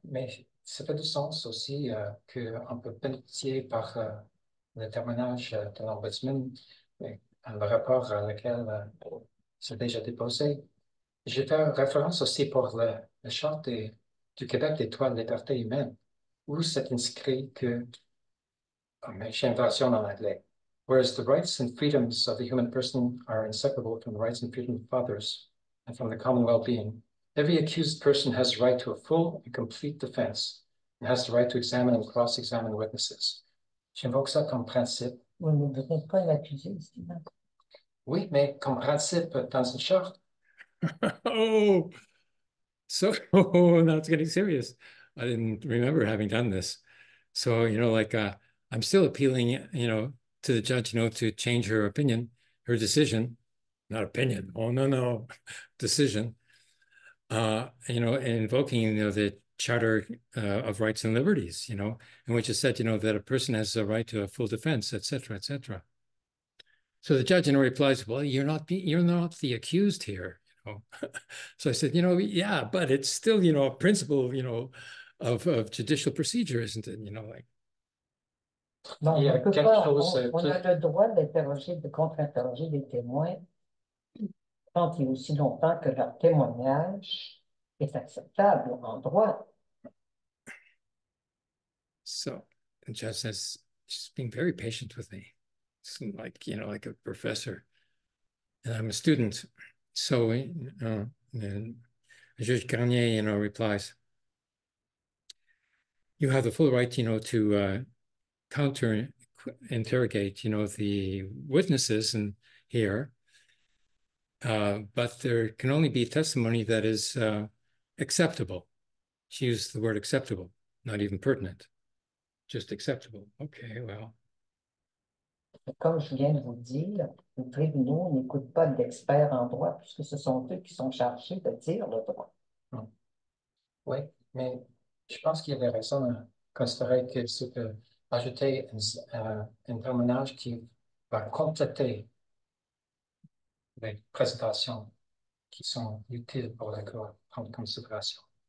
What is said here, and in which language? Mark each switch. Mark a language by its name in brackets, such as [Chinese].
[French] Mais ça fait du sens aussi qu'on peut bénéficier par le terminage de l'ombudsman, le rapport à lequel c'est déjà déposé. J'ai fait référence aussi pour la charte du Québec des droits de liberté humaine, où c'est inscrit que. J'ai une version en anglais. [English] Whereas the rights and freedoms of the human person are inseparable from the rights and freedoms of others and from the common well-being, every accused person has the right to a full and complete defense and has the right to examine and cross-examine witnesses. [French] J'invoque ça comme principe. Oui, mais vous n'êtes pas l'accusé, Stephen. Oui, mais comme principe dans une charte. [English] Now it's getting serious. I didn't remember having done this. So, you know, like, I'm still appealing, you know, to the judge, you know, to change her opinion, her decision, not opinion, oh, no, decision, you know, invoking, you know, the Charter of Rights and Liberties, you know, in which it said, you know, that a person has a right to a full defense, et cetera, et cetera. So the judge, you know, replies, well, you're not the accused here, you know. So I said, you know, yeah, but it's still, you know, a principle, you know, of judicial procedure, isn't it, you know, like. [French] Non, il y a quelque chose. On a le droit d'interroger, de contre-interroger des témoins tant et aussi longtemps que leur témoignage est acceptable en droit. [English] So, the judge says, she's being very patient with me. It's like, you know, like a professor. And I'm a student. So, and Judge Garnier, you know, replies, you have the full right, you know, to counter interrogate, you know, the witnesses in here. But there can only be testimony that is acceptable. She used the word acceptable, not even pertinent. Just acceptable. Okay, well. [French] Comme je viens de vous dire, les tribunaux n'écoutent pas d'experts en droit puisque ce sont eux qui sont chargés de dire le droit. Hmm. Oui, mais je pense qu'il y avait raison de considérer que c'est ajouter un terminage qui va compléter les présentations qui sont utiles pour la Cour prendre considération.